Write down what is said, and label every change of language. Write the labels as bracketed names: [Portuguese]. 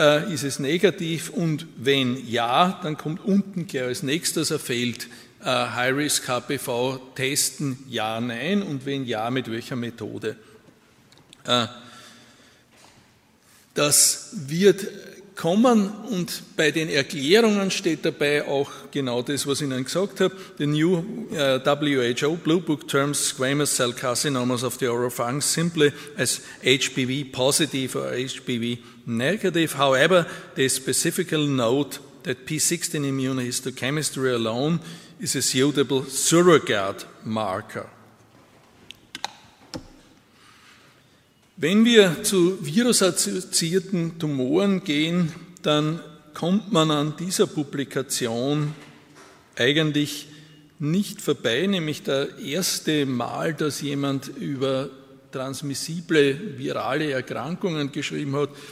[German] Ist es negativ? Und wenn ja, dann kommt unten gleich als nächstes ein Feld, High-Risk-HPV testen, ja, nein. Und wenn ja, mit welcher Methode? Das wird kommen, und bei den Erklärungen steht dabei auch genau das, was ich Ihnen gesagt habe. [English] The new WHO Blue Book terms squamous cell carcinomas of the oropharynx simply as HPV positive or HPV negative. However, they specifically note that P16 immunohistochemistry alone is a suitable surrogate marker. [German] Wenn wir zu virusassoziierten Tumoren gehen, dann kommt man an dieser Publikation eigentlich nicht vorbei, nämlich das erste Mal, dass jemand über transmissible virale Erkrankungen geschrieben hat.